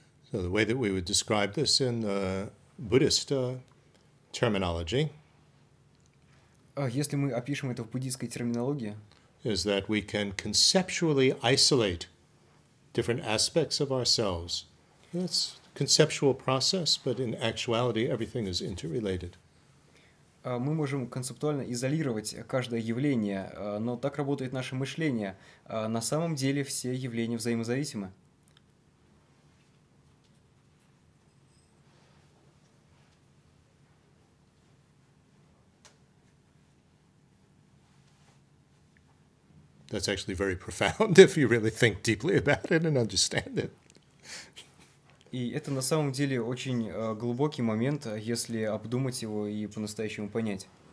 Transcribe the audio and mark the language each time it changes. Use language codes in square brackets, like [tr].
[en] So the way that we would describe this in Buddhist terminology [ru] если мы опишем это в буддийской терминологии, [en] is that we can conceptually isolate different aspects of ourselves. That's a conceptual process, but in actuality everything is interrelated. [ru] Мы можем концептуально изолировать каждое явление, но так работает наше мышление. На самом деле все явления взаимозависимы. [en] That's actually very profound if you really think deeply about it and understand it. [ru] И это на самом деле очень глубокий момент, если обдумать его и по-настоящему понять.